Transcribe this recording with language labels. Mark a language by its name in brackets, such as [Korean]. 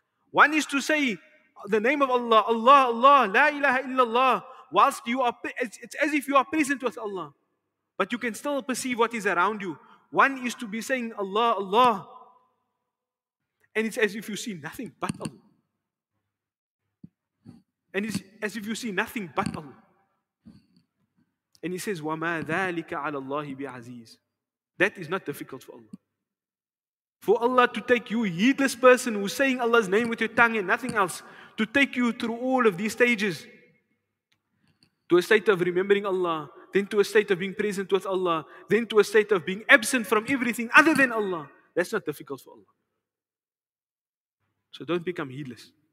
[English] One is to say the name of Allah, Allah, Allah, La ilaha illallah, whilst you are, it's as if you are present with Allah, but you can still perceive what is around you. One is to be saying Allah, Allah, and it's as if you see nothing but Allah. And it's as if you see nothing but Allah. And he says, [Arabic] وَمَا ذَٰلِكَ عَلَى اللَّهِ بِعَزِيزٍ. [English] That is not difficult for Allah. For Allah to take you, heedless person who's saying Allah's name with your tongue and nothing else, to take you through all of these stages, to a state of remembering Allah, then to a state of being present with Allah, then to a state of being absent from everything other than Allah. That's not difficult for Allah. So don't become heedless.